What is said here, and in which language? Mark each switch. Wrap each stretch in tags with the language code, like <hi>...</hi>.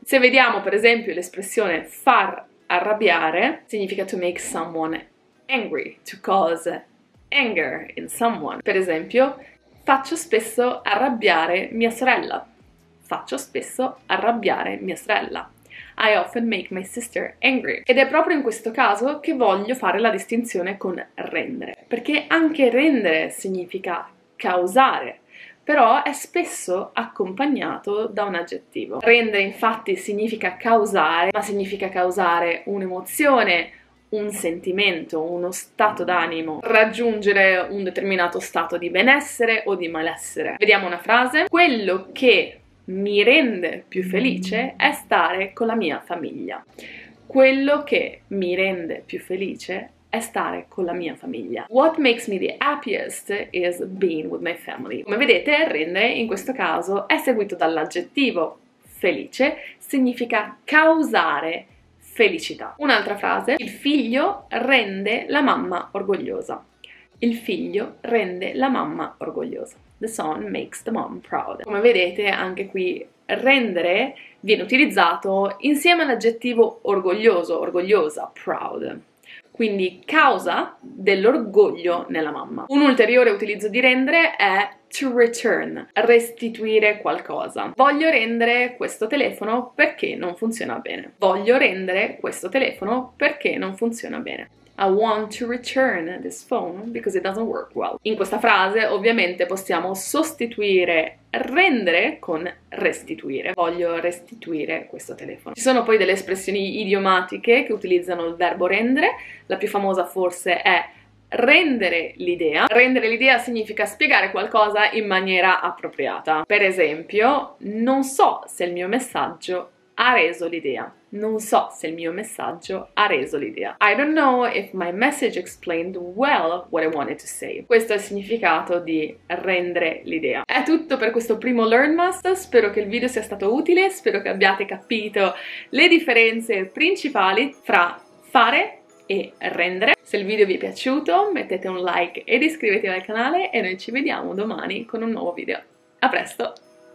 <it>Se vediamo per esempio l'espressione far arrabbiare, significa</it> <en>to make someone angry, to cause anger in someone.</en> <it>Per esempio, faccio spesso arrabbiare mia sorella. Faccio spesso arrabbiare mia sorella.</it> <en>I often make my sister angry.</en> <it>Ed è proprio in questo caso che voglio fare la distinzione con rendere, perché anche rendere significa causare. Però è spesso accompagnato da un aggettivo. Rendere infatti significa causare, ma significa causare un'emozione, un sentimento, uno stato d'animo, raggiungere un determinato stato di benessere o di malessere. Vediamo una frase. Quello che mi rende più felice è stare con la mia famiglia. Quello che mi rende più felice è stare con la mia famiglia.</it> <en>What makes me the happiest is being with my family.</en> <it>Come vedete, rendere in questo caso è seguito dall'aggettivo felice, significa causare felicità. Un'altra frase: il figlio rende la mamma orgogliosa. Il figlio rende la mamma orgogliosa.</it> <en>The son makes the mom proud.</en> <it>Come vedete, anche qui rendere viene utilizzato insieme all'aggettivo orgoglioso, orgogliosa, proud. Quindi causa dell'orgoglio nella mamma. Un ulteriore utilizzo di rendere è</it> <en>to return,</en> <it>restituire qualcosa. Voglio rendere questo telefono perché non funziona bene. Voglio rendere questo telefono perché non funziona bene.</it> <en>I want to return this phone because it doesn't work well.</en> <it>In questa frase, ovviamente, possiamo sostituire rendere con restituire. Voglio restituire questo telefono. Ci sono poi delle espressioni idiomatiche che utilizzano il verbo rendere. La più famosa forse è rendere l'idea. Rendere l'idea significa spiegare qualcosa in maniera appropriata. Per esempio, non so se il mio messaggio ha reso l'idea. Non so se il mio messaggio ha reso l'idea.</it> <en>I don't know if my message explained well what I wanted to say.</en> <it>Questo è il significato di rendere l'idea. È tutto per questo primo LearnMass. Spero che il video sia stato utile. Spero che abbiate capito le differenze principali fra fare e rendere. Se il video vi è piaciuto, mettete un like ed iscrivetevi al canale e noi ci vediamo domani con un nuovo video. A presto!</it>